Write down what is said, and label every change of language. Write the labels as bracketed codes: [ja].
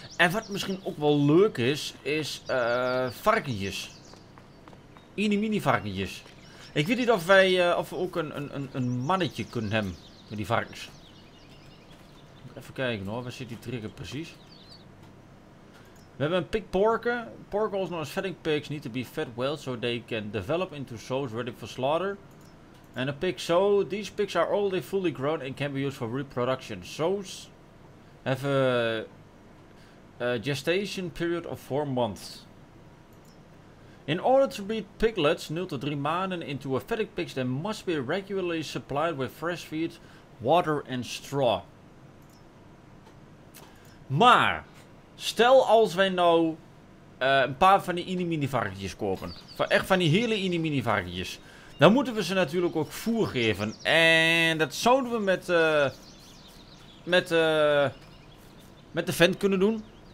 [nl] En wat misschien ook wel leuk is, is varkentjes. Inie mini varkentjes. Ik weet niet of wij of we ook een mannetje kunnen hebben met die varkens. Even kijken hoor, waar zit die trigger precies? We hebben een pig porker. [en] Porkers known as fatting pigs need to be fed well so they can develop into sows ready for slaughter. And a pig sow, these pigs are already fully grown and can be used for reproduction. Sows have a gestation period of 4 months. In order to breed piglets 0 to 3 maanden into a fatting pig, they must be regularly supplied with fresh feed, water and straw. [nl] Maar, stel als wij nou een paar van die inimini varkentjes kopen. Echt van die hele inimini varkentjes. Dan moeten we ze natuurlijk ook voer geven. En dat zouden we met de vent kunnen doen.